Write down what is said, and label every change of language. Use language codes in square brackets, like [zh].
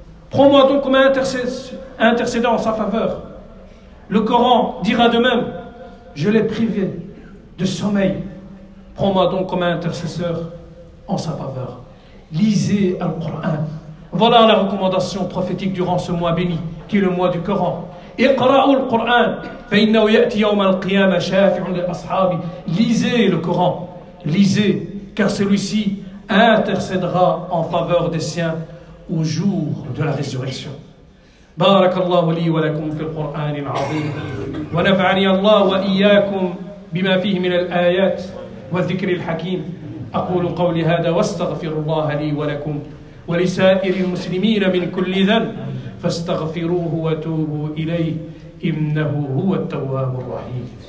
[fr] Prends-moi donc comme intercédeur en sa faveur. Le Coran dira de même, je l'ai privé de sommeil. Prends-moi donc comme intercesseur en sa faveur. Lisez le Coran. Voilà la recommandation prophétique durant ce mois béni, qui est le mois du Coran. [ar] اقرأوا القرآن فإنه يأتي يوم القيامة شافع للأصحاب. [fr] Lisez le Coran, lisez, car celui-ci intercédera en faveur des siens au jour de la résurrection. [ar] بارك الله لي ولكم في القرآن العظيم ونفعني الله وإياكم بما فيه من الآيات والذكر الحكيم. أقول قولي هذا واستغفر الله لي ولكم ولسائر المسلمين من كل ذنب فاستغفروه وتوبوا إليه إنه هو التواب الرحيم.